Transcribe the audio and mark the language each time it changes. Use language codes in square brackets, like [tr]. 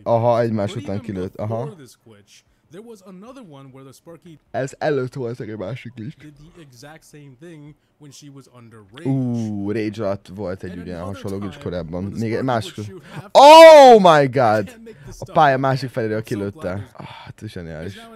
[hu] Aha, egymás után kilőtt, aha. [en] There was another one where the Sparky [hu] ez előtt volt egy másik is. [en] Did the exact same thing when she was under rage. [hu] Rage alatt volt egy ugyan hasonló glitch korábban. Még egy másik. [en] Oh my god! [hu] A pálya másik feléről kilőtte. Zseniális.